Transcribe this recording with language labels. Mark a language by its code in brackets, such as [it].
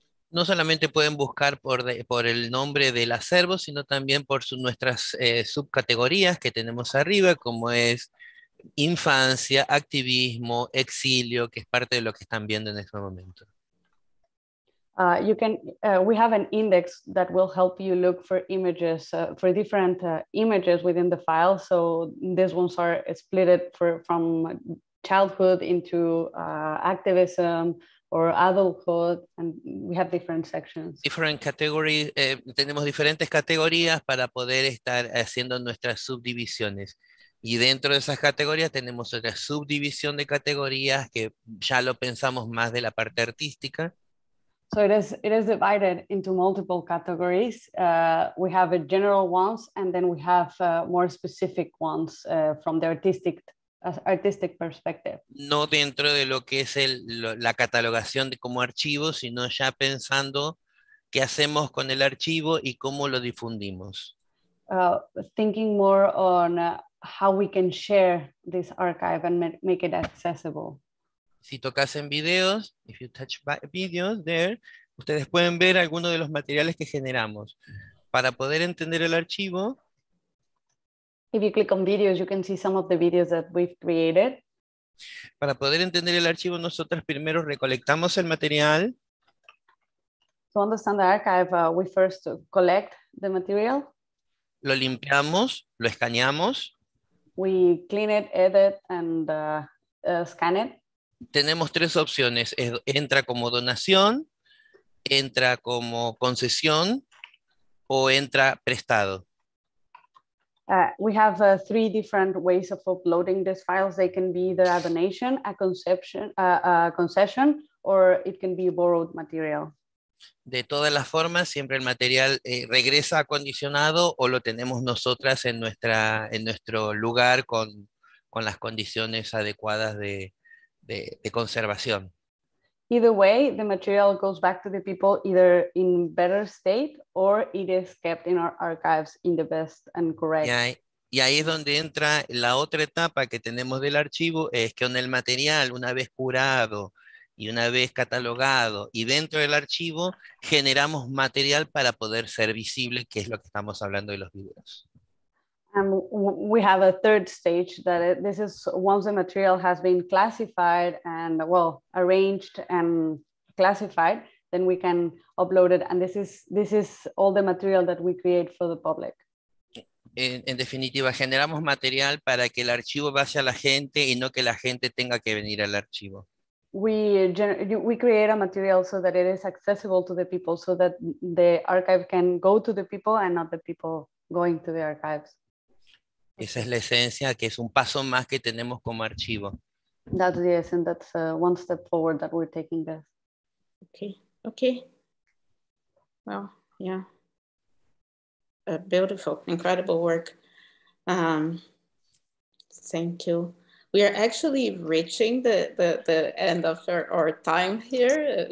[es] No solamente pueden buscar por el nombre del acervo, sino también por nuestras subcategorías que tenemos arriba, como es infancia, activismo, exilio, que es parte de lo que están viendo en este momento. [en] We have an index that will help you look for images, for different images within the file. So these ones are split from childhood into activism or adulthood, and we have different sections. Different categories, [es] tenemos diferentes categorías para poder estar haciendo nuestras subdivisiones. Y dentro de esas categorías tenemos otra subdivisión de categorías que ya lo pensamos más de la parte artística. [en] So it is divided into multiple categories. We have a general ones and then we have more specific ones from the artistic perspective. [es] No dentro de lo que es la catalogación de como archivo, sino ya pensando qué hacemos con el archivo y cómo lo difundimos. [en] Thinking more on how we can share this archive and make it accessible. [es] Si tocas en videos, [en] if you touch videos there, [es] ustedes pueden ver algunos de los materiales que generamos. Para poder entender el archivo. [en] If you click on videos, you can see some of the videos that we've created. [es] Para poder entender el archivo, nosotros primero recolectamos el material. [en] To understand the archive, we first collect the material. [es] Lo limpiamos, lo escaneamos. [en] We clean it, edit, and scan it. [es] Tenemos tres opciones. Entra como donación, entra como concesión, o entra prestado. [en] We have three different ways of uploading these files. They can be either a donation, a concession, or it can be borrowed material. [es] De todas las formas, siempre el material regresa acondicionado o lo tenemos nosotras en nuestro lugar con las condiciones adecuadas de conservación. [en] Either way, the material goes back to the people either in better state or it is kept in our archives in the best and correct. [es] Y ahí es donde entra la otra etapa que tenemos del archivo, es que con el material, una vez curado y una vez catalogado y dentro del archivo, generamos material para poder ser visible, que es lo que estamos hablando de los videos. [en] And we have a third stage that this is once the material has been classified and, well, arranged and classified, then we can upload it. And this is all the material that we create for the public. [es] En definitiva, generamos material para que el archivo vaya a la gente y no que la gente tenga que venir al archivo. [en] We create a material so that it is accessible to the people, so that the archive can go to the people and not the people going to the archives. [es] Esa es la esencia, que es un paso más que tenemos como archivo. [en] That's the essence, that's one step forward that we're taking this. Okay. Well, yeah. Beautiful, incredible work. Thank you. We are actually reaching the end of our time here.